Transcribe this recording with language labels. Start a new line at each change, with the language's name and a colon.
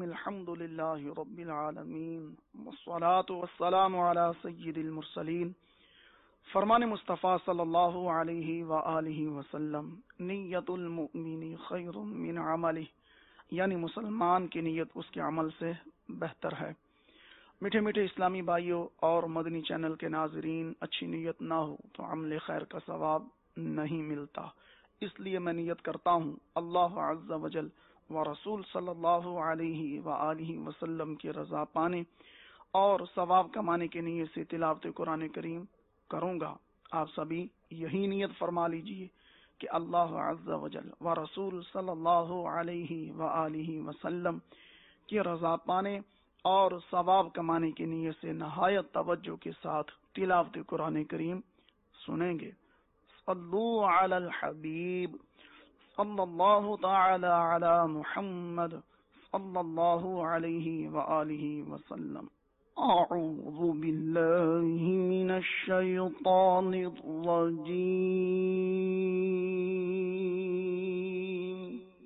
Arabic: الحمد لله رب العالمين، والصلاة والسلام على سيد المرسلين.
Urdu: فرمان مصطفی صلی اللہ علیہ وآلہ وسلم،
Arabic: نیت المؤمن خیر من عمله،
Urdu: یعنی مسلمان کی نیت اس کے عمل سے بہتر ہے. میٹھے میٹھے اسلامی بھائیوں اور مدنی چینل کے ناظرین، اچھی نیت نہ ہو تو عمل خیر کا ثواب نہیں ملتا، اس لیے میں نیت کرتا ہوں اللہ عز وجل و رسول صلی اللہ علیہ وآلہ وسلم کی رضا پانے اور ثواب کمانے کے نیت سے تلاوت قرآن کریم کروں گا. آپ سبھی یہی نیت فرما لیجئے کہ اللہ عز وجل و رسول صلی اللہ علیہ وآلہ وسلم کی رضا پانے اور ثواب کمانے کی نیت سے نہایت توجہ کے ساتھ تلاوت قرآن کریم سنیں گے.
Arabic: صلو علی الحبیب صلی اللہ تعالی علی محمد صلی اللہ علیہ وآلہ وسلم. أعوذ بالله من الشيطان الرجيم.